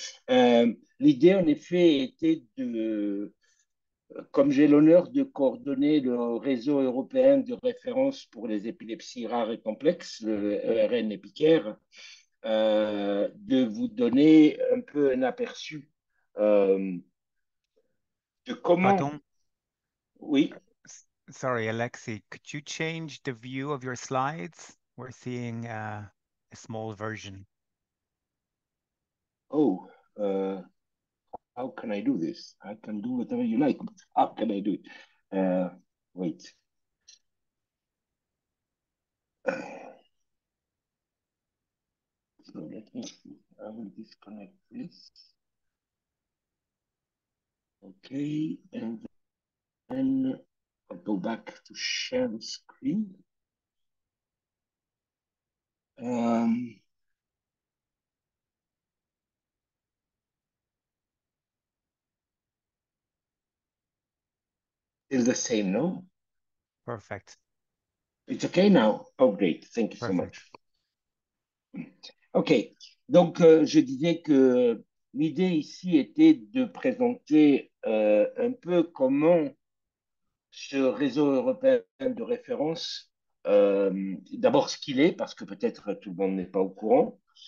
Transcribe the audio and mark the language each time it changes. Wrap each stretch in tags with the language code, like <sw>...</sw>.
<fr>L'idée, en effet, était de, comme j'ai l'honneur de coordonner le réseau européen de référence pour les épilepsies rares et complexes, le ERN-EPICAIR, de vous donner un peu un aperçu de comment. Pardon. Oui.</fr> <en>Sorry, Alexis, could you change the view of your slides? We're seeing a small version. Oh, how can I do this? I can do whatever you like, but how can I do it? Wait. So let me see. I will disconnect this. Okay, and then I'll go back to share the screen. Is the same, no? Perfect. It's okay now. Oh, great. Thank you so Perfect. much. Okay.</en> <fr>Donc, je disais que l'idée ici était de présenter un peu comment ce réseau européen de référence, d'abord ce qu'il est, parce que peut-être tout le monde n'est pas au courant,</fr>